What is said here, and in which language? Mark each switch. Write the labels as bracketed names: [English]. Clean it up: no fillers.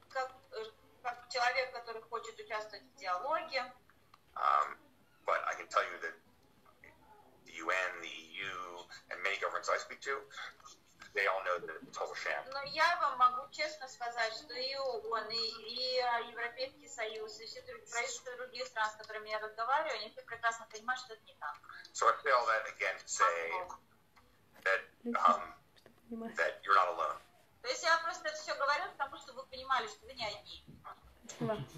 [Russian] Как человек, который хочет участвовать в диалоге. [English] But I can tell you that the UN, the EU, and many governments I speak to. They all know that it's total sham. [Russian] Но я вам могу честно сказать, что и ООН, и Европейский Союз, и все правительства других стран, с которыми я разговариваю, они все прекрасно понимают, что это не так. [English] So I say all that again to say that that you're not alone. [Russian] То есть я просто это все говорю, потому что вы понимали, что вы не одни.